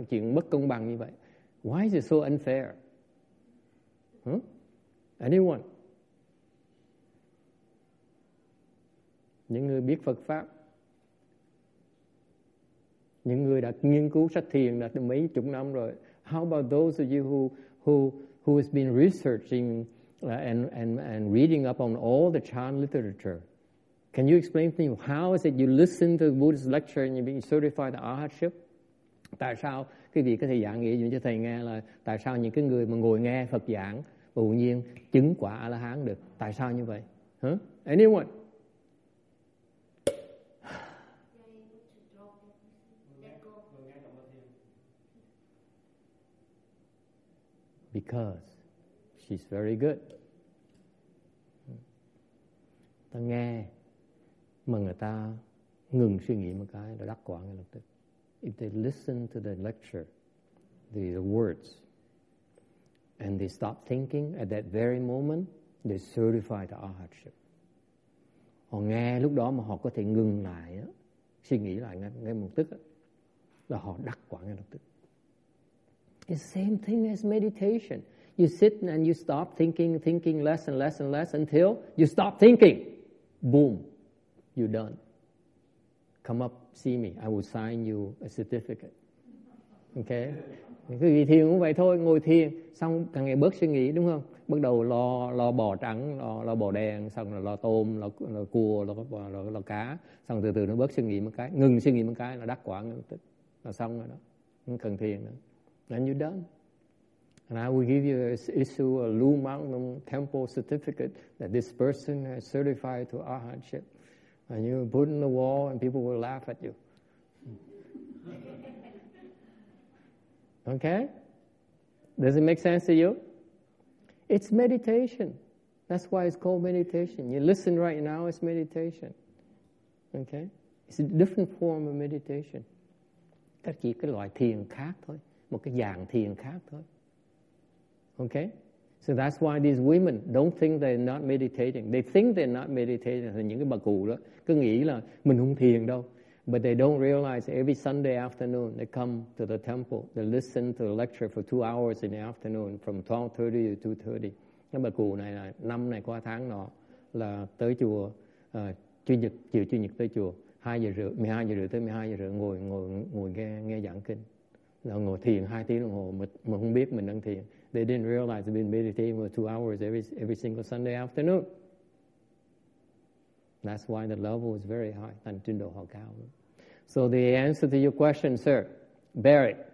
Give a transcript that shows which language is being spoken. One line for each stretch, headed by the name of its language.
Vietnamese: Chuyện bất công bằng như vậy.
English: Why is it so unfair? Anyone?
Vietnamese: Những người biết Phật Pháp, những người đã nghiên cứu sách thiền đã mấy chục năm rồi.
English: How about those of you who has been researching and reading up on all the Chan literature? Can you explain to me how is it you listen to Buddha's lecture and you being certified the arhatship?
Vietnamese: Tại sao cái việc có thể giảng nghĩa dùng cho thầy nghe là tại sao những cái người mà ngồi nghe Phật giảng và tự nhiên chứng quả A-la-hán được? Tại sao như vậy? Huh?
English: Anyone? Because she's very good.
Vietnamese: Ta nghe mà người ta ngừng suy nghĩ một cái là đắc quả ngay lập tức.
English: If they listen to the lecture, the words, and they stop thinking at that very moment, they certify the arhatship.
Vietnamese: Họ nghe lúc đó mà họ có thể ngừng lại, suy nghĩ lại ngay một tức, là họ đắc quả ngay lập tức.
English: It's the same thing as meditation. You sit and you stop thinking, thinking less and less and less until you stop thinking. Boom. You're done. Come up, see me. I will sign you a certificate. Okay?
Vietnamese: Cái gì thiền cũng vậy thôi. Ngồi thiền, xong càng ngày bớt suy nghĩ, đúng không? Bắt đầu lo bò trắng, lo bò đen, xong rồi lo tôm, lo cua, lo cá. Xong từ từ nó bớt suy nghĩ một cái. Ngừng suy nghĩ một cái là đắc quả. Là xong rồi đó. Không cần thiền nữa.
English: And you're done. And I will give you issue a Lu Mangnam temple certificate that this person has certified to arhatship. And you put in the wall and people will laugh at you. Okay? Does it make sense to you? It's meditation. That's why it's called meditation. You listen right now, it's meditation. Okay? It's a different form of meditation.
Vietnamese: Cách chỉ cái loại thiền khác thôi. Một cái dạng thiền khác thôi.
English: Okay? So that's why these women don't think they're not meditating. They think they're not meditating.
Vietnamese: Những cái bà cụ đó cứ nghĩ là mình không thiền đâu.
English: But they don't realize every Sunday afternoon they come to the temple. They listen to the lecture for 2 hours in the afternoon from 12:30 to 2:30.
Vietnamese: Cái bà cụ này là năm này qua tháng nọ là tới chùa chiều chủ nhật tới chùa 2:30, 12:30 tới 12:30 ngồi nghe giảng kinh. Là ngồi thiền 2 tiếng đồng hồ mà không biết mình đang thiền.
English: They didn't realize they've been meditating for 2 hours every single Sunday afternoon. That's why the level is very high.
Vietnamese: Thành trình độ họ cao.
English: So the answer to your question, sir, bear it.